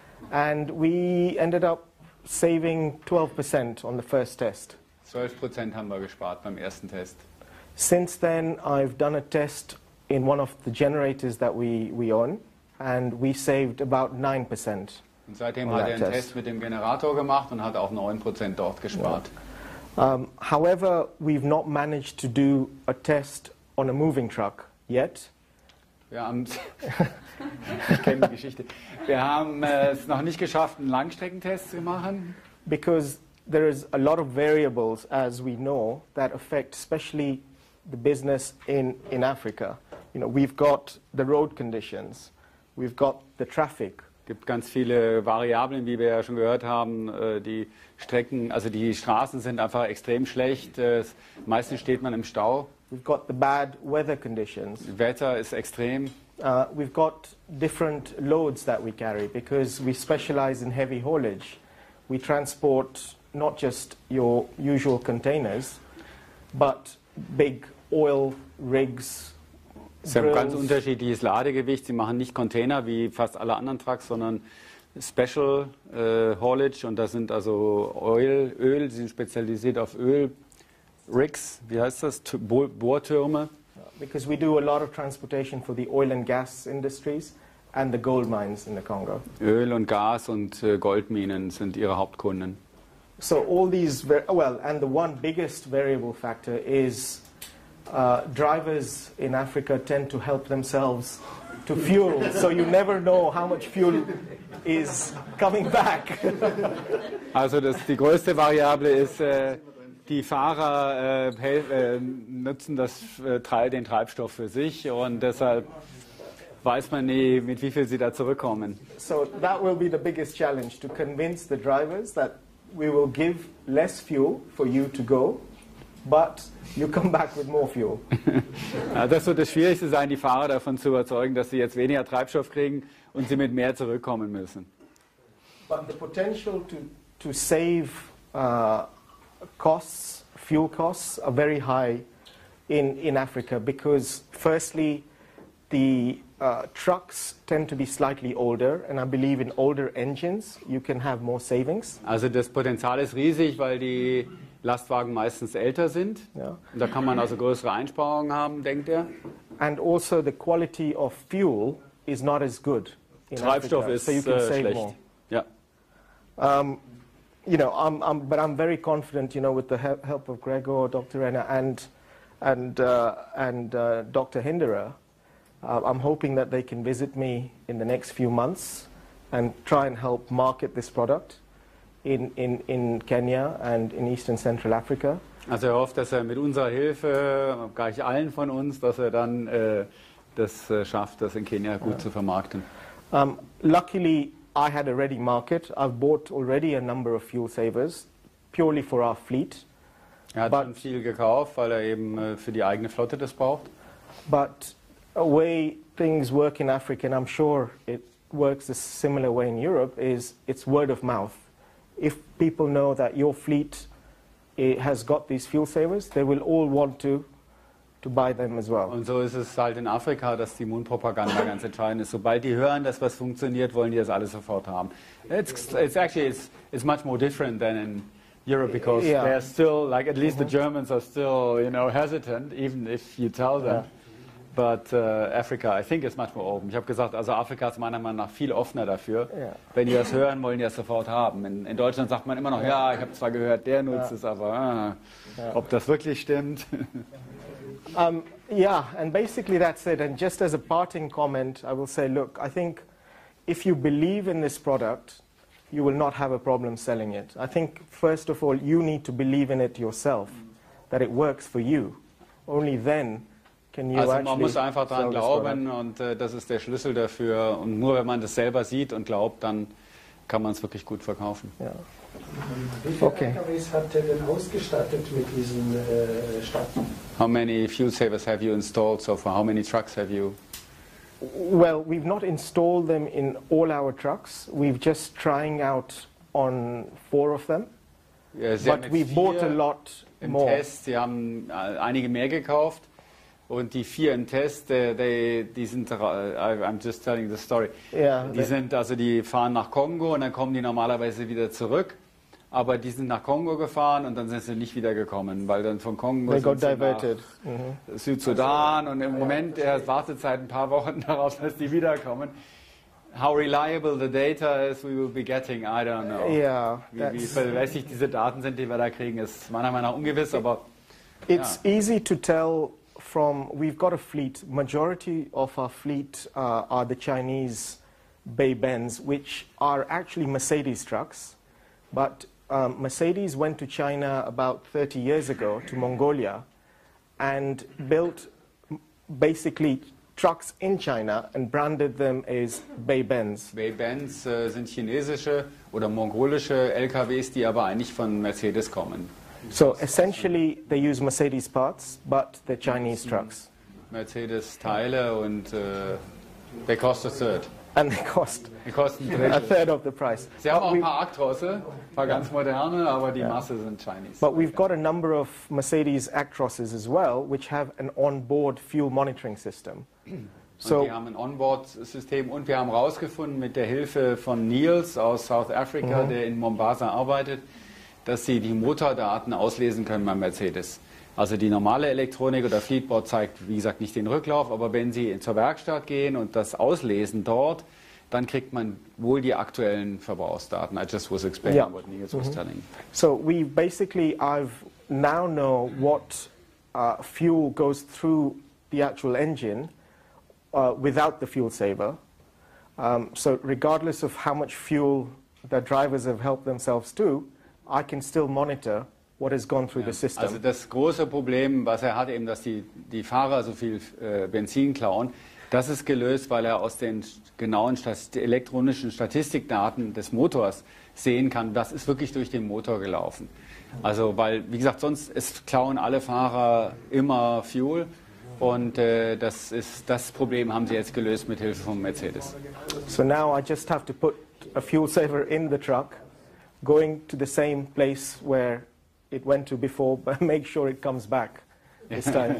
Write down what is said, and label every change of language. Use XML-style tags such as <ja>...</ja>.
<en>And we ended up saving 12% on the first test.</en> <de>12% haben wir gespart beim ersten Test.</de> <en>Since then, I've done a test in one of the generators that we own, and we saved about 9%</en> <de>Und seitdem</de> <en>on</en> <de>hat</de> <en>that</en> <de>er einen Test</de> <en>test.</en> <de>mit dem Generator gemacht und hat auch 9% dort gespart.</de> <en>However, we've not managed to do a test on a moving truck yet.</en> <de>Ich kenne die Geschichte. Wir haben es noch nicht geschafft, einen Langstreckentest zu machen.</de> <en>Because there is a lot of variables, as we know, that affect especially the business in Africa. You know, we've got the road conditions, we've got the traffic.</en> <de>Gibt ganz viele Variablen, wie wir ja schon gehört haben. Die Strecken, also die Straßen sind einfach extrem schlecht. Meistens steht man im Stau.</de> <en>We've got the bad weather conditions.</en> <de>Wetter ist extrem.</de> <en>We've got different loads that we carry because we specialize in heavy haulage. We transport not just your usual containers, but big oil rigs,</en> <de>Sie haben ganz</de> <en>drills.</en> <de>unterschiedliches Ladegewicht. Sie machen nicht Container wie fast alle anderen Trucks, sondern Special Haulage. Und das sind also Öl. Sie sind spezialisiert auf Öl. Rigs, wie heißt das? Bohrtürme.</de> <en>Because we do a lot of transportation for the oil and gas industries and the gold mines in the Congo.</en> <de>Öl und Gas und Goldminen sind ihre Hauptkunden.</de> <en>So all these, well, and the one biggest variable factor is drivers in Africa tend to help themselves to fuel, so you never know how much fuel is coming back.</en> <de>Also das, die größte Variable ist, die Fahrer nutzen das, den Treibstoff für sich und deshalb weiß man nie, mit wie viel sie da zurückkommen.</de> <en>So that will be the biggest challenge, to convince the drivers that we will give less fuel for you to go, but you come back with more fuel.</en> <de>Das wird das Schwierigste sein, die Fahrer davon zu überzeugen, dass sie jetzt weniger Treibstoff kriegen und sie mit mehr zurückkommen müssen.</de> <en>But the potential to save costs, fuel costs, are very high in Africa, because firstly, the trucks tend to be slightly older, and I believe in older engines, you can have more savings.</en> <de>Also das Potenzial ist riesig, weil die Lastwagen meistens älter sind. Und da kann man also größere Einsparungen haben, denkt er.</de> <en>And also the quality of fuel is not as good.</en> <de>Treibstoff ist schlecht. Ja.</de> <en>You know, I'm very confident, you know, with the help of Gregor, Dr. Renner and Dr. Hinderer. I'm hoping that they can visit me in the next few months and try and help market this product in Kenya and in Eastern Central Africa.</en> <de>Also er hofft, dass er mit unserer Hilfe, gleich allen von uns, dass er dann das schafft, das in Kenia gut zu vermarkten.</de> <en>Luckily, I had a ready market. I've bought already a number of fuel savers, purely for our fleet.</en> <de>Er hat but, schon viel gekauft, weil er eben für die eigene Flotte das braucht.</de> <en>But a way things work in Africa, and I'm sure it works a similar way in Europe, is it's word of mouth. If people know that your fleet has got these fuel savers, they will all want to buy them as well.</en> <de>Und so ist es halt in Afrika, dass die Mundpropaganda ganz entscheidend ist. Sobald die hören, dass was funktioniert, wollen die das alles sofort haben.</de> <en>It's much more different than in Europe, because they're still, like, at least the Germans are still, you know, hesitant, even if you tell them. But Africa, I think, is much more open.</en> <de>Ich habe gesagt, also Afrika ist meiner Meinung nach viel offener dafür. Yeah. Wenn die das hören, wollen die das sofort haben. In Deutschland sagt man immer noch, ja, ich habe zwar gehört, der nutzt es, aber ob das wirklich stimmt.</de> <en>Yeah, and basically that's it. And just as a parting comment, I will say, look, I think if you believe in this product, you will not have a problem selling it. I think, first of all, you need to believe in it yourself, that it works for you. Only then...</en> <de>Also man muss einfach daran glauben, und das ist der Schlüssel dafür. Und nur wenn man das selber sieht und glaubt, dann kann man es wirklich gut verkaufen. Ja. Wie viele LKWs habt ihr denn ausgestattet mit diesen Stacken?</de> <en>How many fuel savers have you installed so far? How many trucks have you? Well, we've not installed them in all our trucks. We've just trying out on four of them.</en> <de>Ja,</de> <en>but we bought a lot</en> <de>im</de> <en>more.</en> <de>Test, sie haben einige mehr gekauft. Und die vier im Test, die sind,</de> <en>I'm just telling the story. Yeah,</en> <de>die sind, also die fahren nach Kongo und dann kommen die normalerweise wieder zurück. Aber die sind nach Kongo gefahren und dann sind sie nicht wieder gekommen, weil dann von Kongo</de> <en>they</en> <de>sind sie</de> <en>diverted.</en> <de>Nach Südsudan und im Moment erst Wartezeit ein paar Wochen darauf, dass die wiederkommen.</de> <en>How reliable the data is we will be getting, I don't know. Yeah,</en> <de>wie verlässlich diese Daten sind, die wir da kriegen, ist meiner Meinung nach ungewiss, aber</de> <en>it's easy to tell. From we've got a fleet, majority of our fleet are the Chinese Bay Benz, which are actually Mercedes trucks, but Mercedes went to China about 30 years ago to Mongolia and built basically trucks in China and branded them as Bay Benz.</en> <de>Bay Benz sind chinesische oder mongolische LKWs, die aber eigentlich von Mercedes kommen.</de> <en>So essentially, they use Mercedes parts, but they're Chinese trucks.</en> <de>Mercedes Teile und</de> <en>they cost a third. And they cost. They cost a third of the price.</en> <de>Sie haben auch ein paar Actrosse, paar ganz moderne, aber die Masse sind Chinese.</de> <en>But we've got a number of Mercedes Actrosses as well, which have an onboard fuel monitoring system.</en> <de>So wir haben ein Onboard-System und wir haben rausgefunden mit der Hilfe von Niels aus South Africa, der in Mombasa arbeitet, dass sie die Motordaten auslesen können beim Mercedes. Also die normale Elektronik oder Fleetboard zeigt, wie gesagt, nicht den Rücklauf, aber wenn sie zur Werkstatt gehen und das auslesen dort, dann kriegt man wohl die aktuellen Verbrauchsdaten.</de> <en>I just was explaining what Niels was telling. So we basically, I've now know what fuel goes through the actual engine without the fuel saver. So regardless of how much fuel the drivers have helped themselves to, I can still monitor what has gone through the system.</en> <de>Also das große Problem, was er hat, eben, dass die Fahrer so viel Benzin klauen, das ist gelöst, weil er aus den genauen elektronischen Statistikdaten des Motors sehen kann, was ist wirklich durch den Motor gelaufen. Also weil, wie gesagt, sonst klauen alle Fahrer immer Fuel. Und das Problem haben sie jetzt gelöst mit Hilfe von Mercedes.</de> <en>So now I just have to put a fuel saver in the truck, going to the same place where it went to before, but make sure it comes back this time.</en>